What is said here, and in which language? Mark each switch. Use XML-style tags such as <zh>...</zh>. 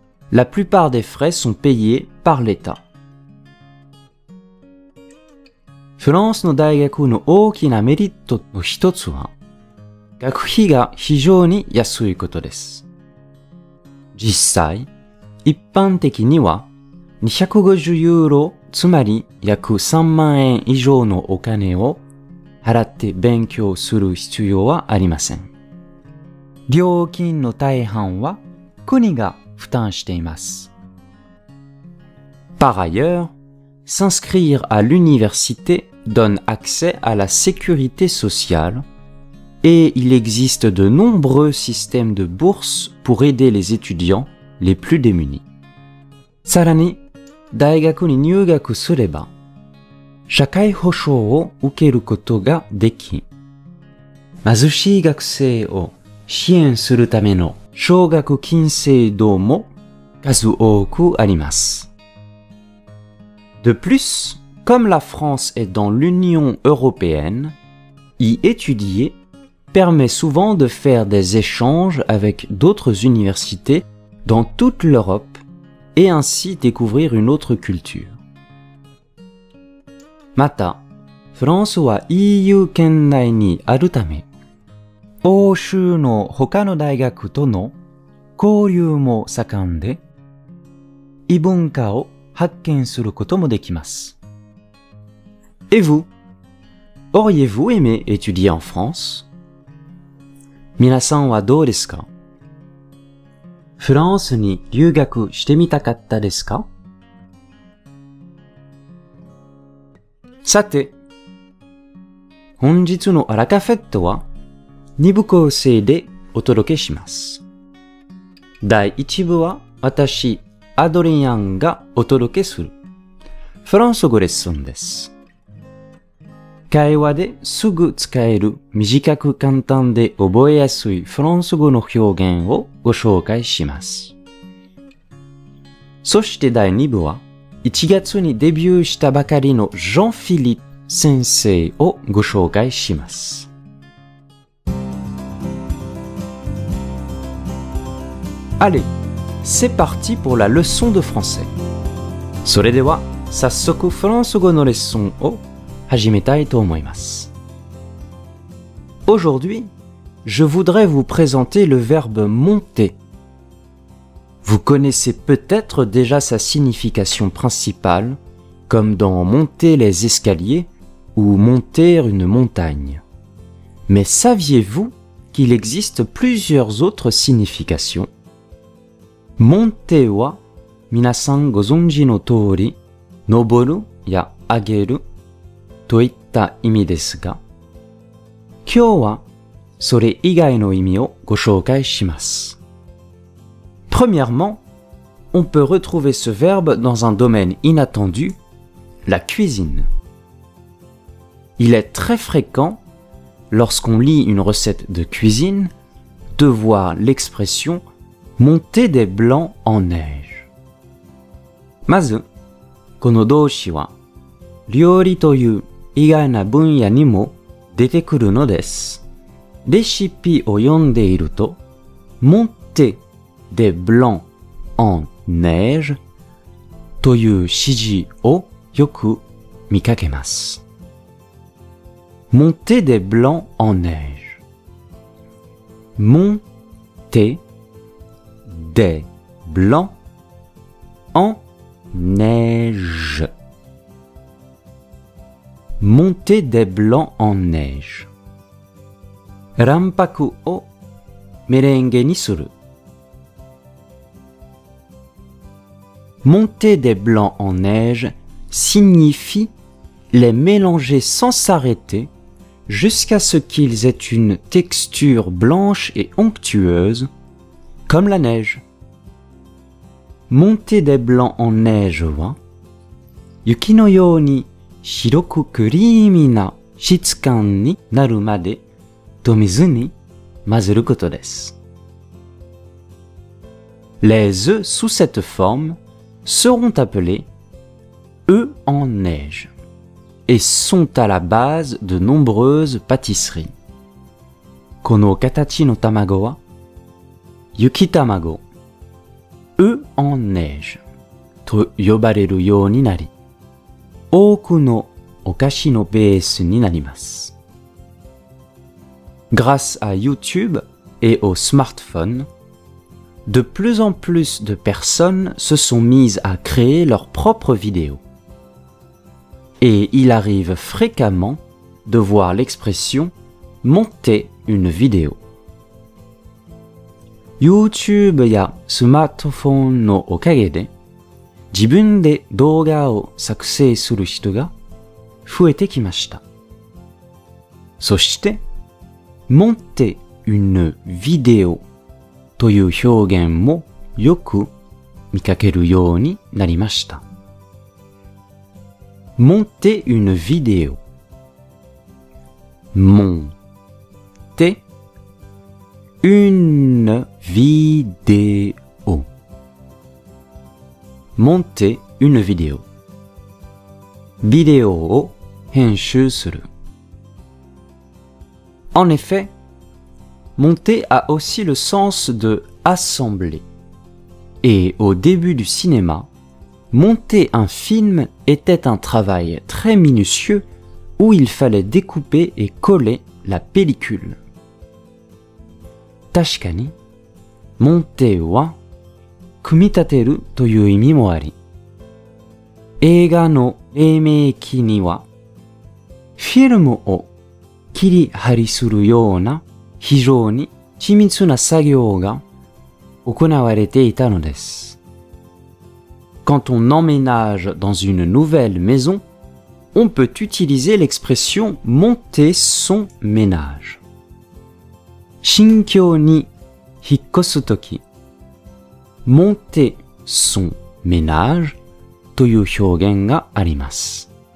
<fr>La plupart des frais sont payés par l'État.</fr> <ja>フランスの大学の大きなメリットの一つは、学費が非常に安いことです。実際、一般的には250ユーロ、つまり約3万円以上のお金を払って勉強する必要はありません。料金の大半は国が負担しています。</ja> <fr>Par ailleurs,S'inscrire à l'université donne accès à la sécurité sociale et il existe de nombreux systèmes de bourses pour aider les étudiants les plus démunis.</fr> <ja>さらに、大学に入学すれば、社会保障を受けることができ、貧しい学生を支援するための奨学金制度も数多くあります。</ja> <fr>De plus, comme la France est dans l'Union européenne, y étudier permet souvent de faire des échanges avec d'autres universités dans toute l'Europe et ainsi découvrir une autre culture.</fr> <ja>また、フランスは EU 圏内にあるため、欧州の他の大学との交流も盛んで、異文化を発見することもできます。</ja> <fr>Et vous? Auriez-vous aimé étudier en France?</fr> <ja>皆さんはどうですか? フランスに留学してみたかったですか? さて、本日のアラカフェットは2部構成でお届けします。第1部は私、アドリアンがお届けするフランス語レッスンです。会話ですぐ使える短く簡単で覚えやすいフランス語の表現をご紹介します。そして第2部は1月にデビューしたばかりのジョン・フィリップ先生をご紹介します。</ja> <fr>Allez! C'est parti pour la leçon de français.</fr> <ja>それでは、早速フランス語のレッスンを始めたいと思います。</ja> <fr>Aujourd'hui, je voudrais vous présenter le verbe monter. Vous connaissez peut-être déjà sa signification principale, comme dans monter les escaliers ou monter une montagne. Mais saviez-vous qu'il existe plusieurs autres significations?</fr> <ja>Monter は、皆さんご存知の通り、登るや上げるといった意味ですが、今日はそれ以外の意味をご紹介します。</ja> <fr>Premièrement, on peut retrouver ce verbe dans un domaine inattendu, la cuisine. Il est très fréquent, lorsqu'on lit une recette de cuisine, de voir l'expressionMonter des blancs en neige.</fr> <ja>まず、この動詞は、料理という意外な分野にも出てくるのです。レシピを読んでいると、</ja> <fr>monter des blancs en neige</fr> <ja>という指示をよく見かけます。</ja> <fr>monter des blancs en neige。 monterDes blancs en neige. Monter des blancs en neige.</fr> <ja>Rampaku o merengue ni suru.</ja> <fr>Monter des blancs en neige signifie les mélanger sans s'arrêter jusqu'à ce qu'ils aient une texture blanche et onctueuse, comme la neige. Monter des blancs en neige</fr> <ja>は、雪のように白くクリーミーな質感になるまで、と水に混ぜることです。</ja> <fr>Les œufs sous cette forme seront appelés œufs en neige et sont à la base de nombreuses pâtisseries.</fr> <ja>この形の卵は雪卵、</ja> <fr>œufs en neige</fr> <ja>と呼ばれるようになり、多くのお菓子のベースになります。</ja> <fr>Grâce à YouTube et au smartphone,De plus en plus de personnes se sont mises à créer leurs propres vidéos. Et il arrive fréquemment de voir l'expression « monter une vidéo ».</fr> <ja>YouTube やスマートフォンのおかげで、自分で動画を作成する人が増えてきました。そして、</ja> <fr>「monter une vidéo」</fr> <ja>という表現もよく見かけるようになりました。</ja> <fr>Monter une vidéo. Monter une vidéo. Monter une vidéo.</fr> <ja>ビデオを編集する。</ja> <fr>En effet,Monter a aussi le sens de assembler. Et au début du cinéma, monter un film était un travail très minutieux où il fallait découper et coller la pellicule.</fr> <ja>確かに、monter は組み立てるという意味もあり、映画の黎明期にはフィルムを切り貼りするような非常に緻密な作業が行われていたのです。</ja> <fr>Quand on emménage dans une nouvelle maison, on peut utiliser l'expression monter son ménage.</fr> <ja>新居に引っ越すとき、</ja> <fr>monter son ménage</fr> <ja>という表現があります。</ja>